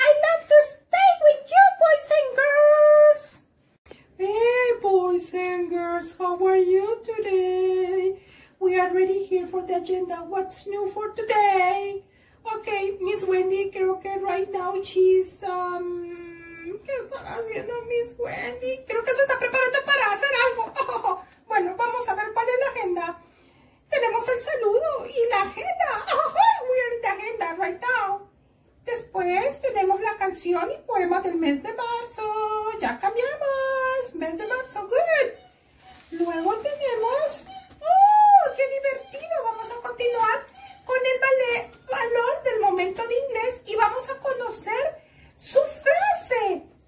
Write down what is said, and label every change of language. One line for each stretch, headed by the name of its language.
English: I love to stay with you, boys and girls. Hey, boys and girls, how are you today? We are ready here for the agenda. What's new for today?
Spanish: Okay, Miss Wendy, creo que
English: right now she's,
Spanish: ¿qué está haciendo Miss Wendy? Creo que se está preparando para hacer algo. Bueno, vamos a ver cuál es la agenda. Tenemos el saludo y la agenda.
English: Oh, we are in the agenda right now.
Spanish: Después tenemos la canción y poema del mes de marzo. Ya cambiamos. Mes de marzo. Good. Luego tenemos... ¡Oh, qué divertido! Vamos a continuar con el ballet valor del momento de inglés y vamos a conocer su frase.